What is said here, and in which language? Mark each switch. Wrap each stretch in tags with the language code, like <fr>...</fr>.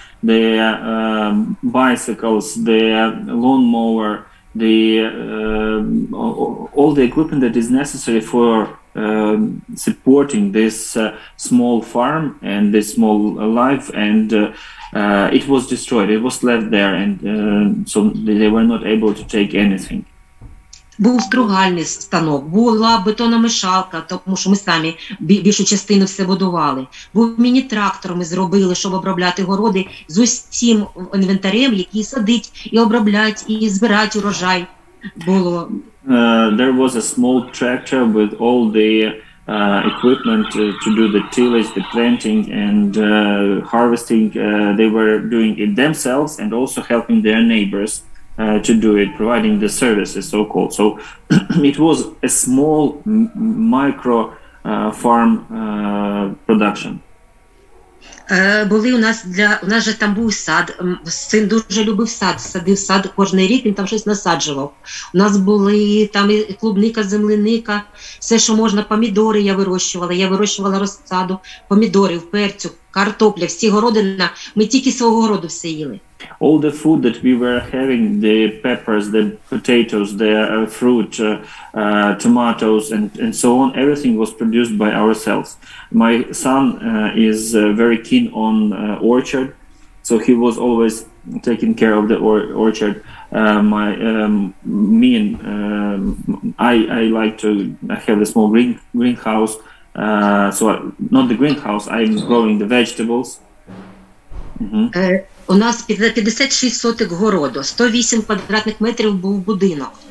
<en>the bicycles, the lawnmower, the all the equipment that is necessary for supporting this small farm and this small life, and it was destroyed. It was left there, and so they were not able to take anything.</en> <uk>Був стругальний станок, була бетономішалка, тому що ми самі більшу частину все будували. Був міні-трактор, ми зробили, щоб обробляти городи з усім інвентарем, який садить і обробляють, і збирають урожай. Було.</uk> <en>There was a small tractor with all the equipment to do the tillage, the planting and harvesting. They were doing it themselves and also helping their neighbors. To do it, providing the services, so-called. So it was a small micro farm production.</en> <uk>Були у нас для у нас же там був сад. Син дуже любив сад, садив сад кожний рік, він там щось насаджував. У нас були там і клубника, земляника, все, що можна, помідори я вирощувала розсаду, помідори, вперцю, картопля, всі городина, ми тільки свого городу все їли.</uk> <en>All the food that we were having, the peppers, the potatoes, the fruit, tomatoes, and so on, everything was produced by ourselves. My son is very keen on orchard, so he was always taking care of the orchard. I like to have a small greenhouse, not the greenhouse, I'm growing the vegetables. Mm-hmm.</en> <uk>У нас 56 соток городу, 108 квадратних метрів був будинок.</uk>